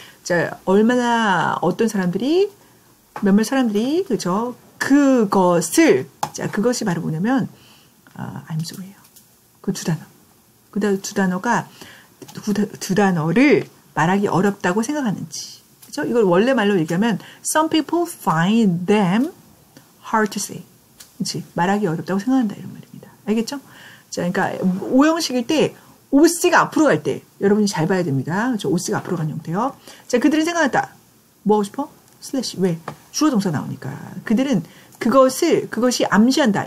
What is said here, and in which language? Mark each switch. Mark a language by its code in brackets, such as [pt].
[ko] 자, 얼마나 어떤 사람들이 몇몇 사람들이 그렇죠? 그것을 자, 그것이 바로 뭐냐면 [en] I'm sorry [ko] 예요. 그 두 단어. 그다음 두 단어가 두 단어를 말하기 어렵다고 생각하는지. 그렇죠? 이걸 원래 말로 얘기하면 [en] some people find them hard to say. [ko] 그치? 말하기 어렵다고 생각한다. 이런 말입니다. 알겠죠? 자, 그러니까 오형식일 때 OC가 앞으로 갈 때 여러분이 잘 봐야 됩니다. 그쵸? OC가 앞으로 가는 형태요. 자, 그들은 생각했다. 뭐 하고 싶어? 슬래시. 왜? 주어 동사 나오니까. 그들은 그것이 암시한다.